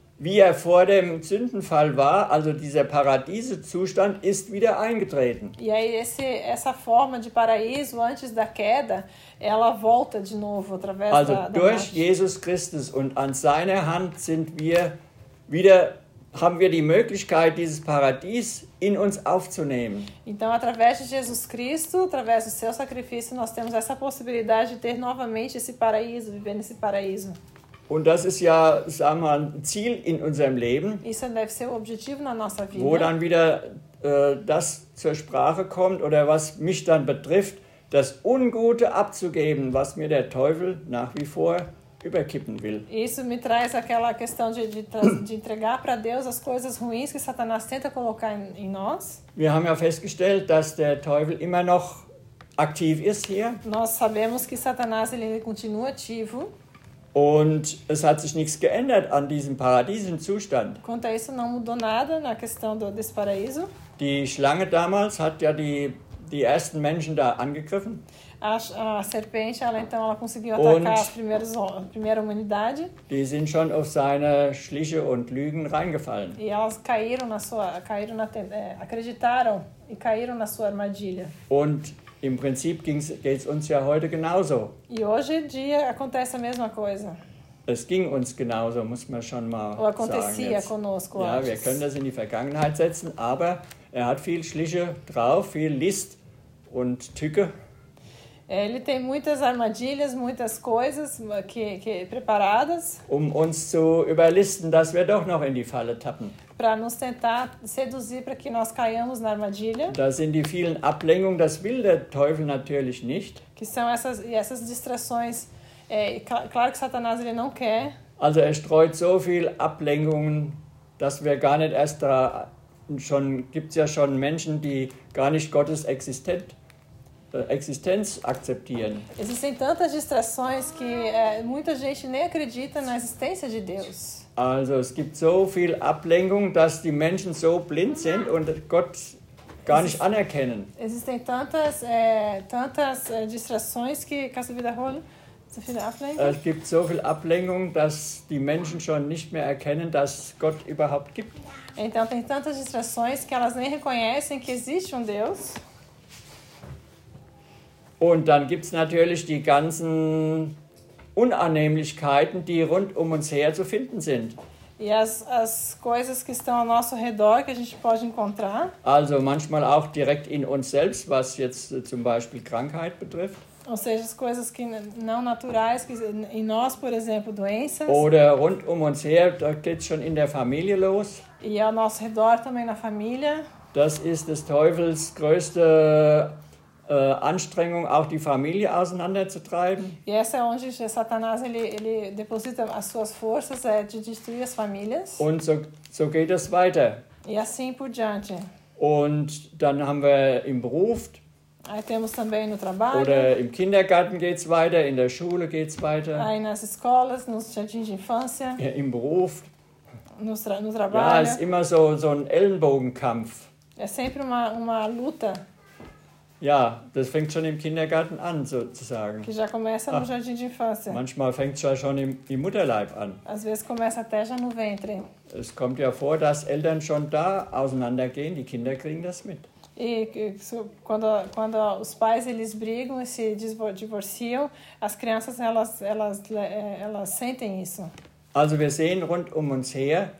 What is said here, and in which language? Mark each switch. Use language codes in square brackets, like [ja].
[de] wie er vor dem Sündenfall war, also dieser Paradiesezustand, ist wieder eingetreten. [pt] E aí essa forma de paraíso antes da queda, ela volta de novo através [de] also da durch da Jesus Christus und an seiner Hand sind wir wieder, haben wir die Möglichkeit, dieses Paradies in uns aufzunehmen. [pt] Então através de Jesus Cristo, através do seu sacrifício, nós temos essa possibilidade de ter novamente esse paraíso, viver nesse paraíso. [de] Und das ist ja, sagen wir mal, ein Ziel in unserem Leben. [pt] Isso deve ser o objetivo na nossa vida. [de] Wo dann wieder das zur Sprache kommt oder was mich dann betrifft, das Ungute abzugeben, was mir der Teufel nach wie vor überkippen will. [pt] Isso me traz aquela questão de entregar para Deus as coisas ruins que Satanás tenta colocar em nós. [de] Wir haben ja festgestellt, dass der Teufel immer noch aktiv ist hier. [pt] Nós sabemos que Satanás ele continua ativo. [de] Und es hat sich nichts geändert an diesem paradiesischen Zustand. [pt] Quanto a isso, não mudou nada na questão desse paraíso. [de] Die Schlange damals hat ja die ersten Menschen da angegriffen. [pt] A serpente, ela conseguiu atacar und a primeira humanidade. [de] Die sind schon auf seine Schliche und Lügen reingefallen. [pt] E elas acreditaram e caíram na sua armadilha. [de] Und im Prinzip geht es uns ja heute genauso. [pt] E hoje em dia acontece a mesma coisa. [de] Es ging uns genauso, muss man schon mal sagen. [pt] Ou acontecia [de] sagen [pt] conosco. [de] Ja, wir können das in die Vergangenheit setzen, aber er hat viel Schliche drauf, viel List und Tücke. [pt] Ele tem muitas armadilhas, muitas coisas que preparadas. [de] Um uns zu überlisten, dass wir doch noch in die Falle tappen. [pt] Para nos tentar seduzir para que nós caiamos na armadilha. [de] Da sind die vielen Ablenkungen, das will der Teufel natürlich nicht. [pt] Que são essas distrações, claro que Satanás ele não quer. [de] Also er streut so viel Ablenkungen, dass wir gar nicht erst da schon gibt's ja schon Menschen, die gar nicht Gottes Existenz akzeptieren. [pt] Existem tantas distrações que muita gente nem acredita na existência de Deus. [de] Also es gibt so viel Ablenkung, dass die Menschen so blind sind und Gott gar nicht anerkennen. [pt] Existem tantas distrações que [de] kannst du wiederholen? So viele Ablenkungen? Es gibt so viel Ablenkung, dass die Menschen schon nicht mehr erkennen, dass Gott überhaupt gibt. [pt] Então tem tantas distrações que elas nem reconhecem que existe Deus. [de] Und dann gibt's natürlich die ganzen Unannehmlichkeiten, die rund um uns her zu finden sind. [pt] E as coisas que estão ao nosso redor, que a gente pode encontrar. [de] Also manchmal auch direkt in uns selbst, was jetzt zum Beispiel Krankheit betrifft. [pt] Ou seja, as coisas que não naturais, que em nós, por exemplo, doenças. [de] Oder rund um uns her, da geht's schon in der Familie los. [pt] E ao nosso redor também na família. [de] Das ist des Teufels größte Anstrengung, auch die Familie auseinanderzutreiben. [pt] E essa é onde Satanás ele deposita as suas forças, de destruir as famílias. [de] Und so geht es weiter. [pt] E assim por diante. [de] Und dann haben wir im Beruf. [pt] Aí temos também no trabalho. [de] Oder im Kindergarten geht's weiter, in der Schule geht's weiter. [pt] Aí nas escolas, nos jardins de infância. [de] Ja, im Beruf. [pt] No trabalho. [de] Ja, es ist immer so ein Ellenbogenkampf. [pt] É sempre uma luta. [de] Ja, das fängt schon im Kindergarten an, sozusagen. [pt] Que já começa no jardim de infância. [de] Manchmal fängt es ja schon im Mutterleib an. [pt] Às vezes começa até já no ventre. [de] Es kommt ja vor, dass Eltern schon da auseinandergehen, die Kinder kriegen das mit. [pt] E quando os pais eles brigam, se divorciam, as crianças elas sentem isso. [de] Also wir sehen rund um uns her.